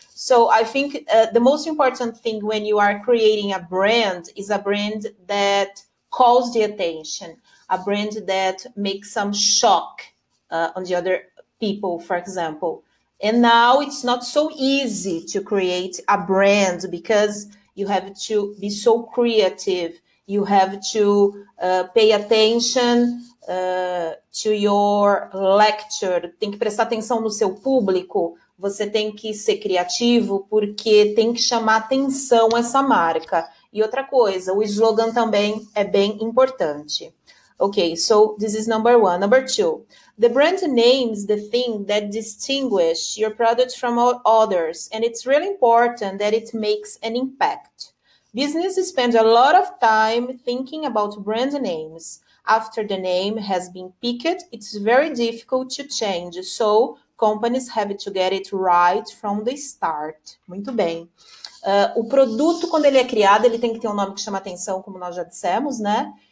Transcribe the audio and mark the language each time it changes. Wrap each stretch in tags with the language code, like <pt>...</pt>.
<en>So I think the most important thing when you are creating a brand is a brand that calls the attention, a brand that makes some shock on the other people, for example. And now it's not so easy to create a brand because you have to be so creative. You have to pay attention to your lecture.</en> <pt>Tem que prestar atenção no seu público. Você tem que ser criativo porque tem que chamar atenção essa marca. E outra coisa, o slogan também é bem importante.</pt> <en>Ok, so this is number one. Number two, the brand name is the thing that distinguishes your product from all others. And it's really important that it makes an impact. Businesses spend a lot of time thinking about brand names. After the name has been picked, it's very difficult to change. So, companies have to get it right from the start.</en> <pt>Muito bem. O produto, quando ele é criado, ele tem que ter um nome que chama atenção, como nós já dissemos, né?</pt>